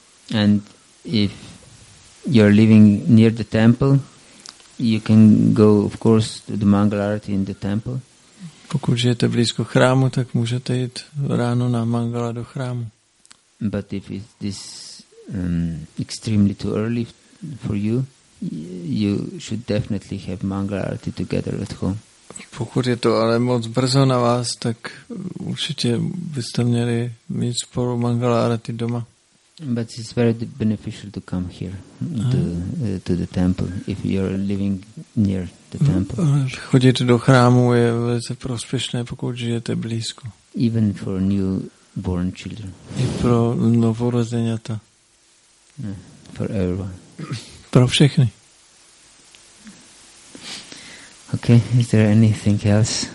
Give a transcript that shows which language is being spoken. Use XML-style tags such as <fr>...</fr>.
<en>And if you're living near the temple, you can go, of course, to the Mangala Arati in the temple.</en> <cs>Pokud žijete blízko chrámu, tak můžete jít ráno na Mangala do chrámu.</cs> <en>But if it is extremely too early for you, you should definitely have Mangala Arati together at home.</en> <cs>Pokud je to ale moc brzo na vás, tak určitě byste měli mít spolu Mangala Arati doma.</cs> <en>But it's very beneficial to come here to the temple if you're living near the temple.</en> <cs>Chodit do chrámu je velice prospěšné, pokud žijete blízko.</cs> <en>Even for newborn children.</en> <cs>I pro novorozeněta.</cs> <en>For everyone.</en> <cs>Pro všechny.</cs> <en>Okay, is there anything else?</en>